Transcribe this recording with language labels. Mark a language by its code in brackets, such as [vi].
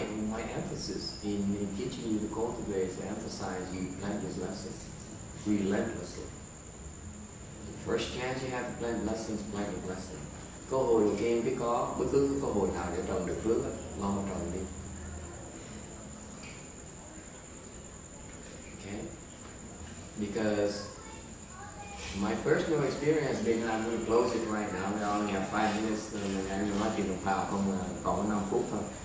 [en] My emphasis in teaching you to cultivate, to emphasize you plant these lessons relentlessly. The first chance you have to plant lessons, plant the blessing. [vi] Cơ hội đầu tiên biết có, bất cứ cơ hội nào để trồng được phước, lo mà trồng đi. [en] Okay? Because my personal experience, being I'm going to close it right now, I only have 5 minutes, and I'm not going to power, [vi] còn 5 phút thôi.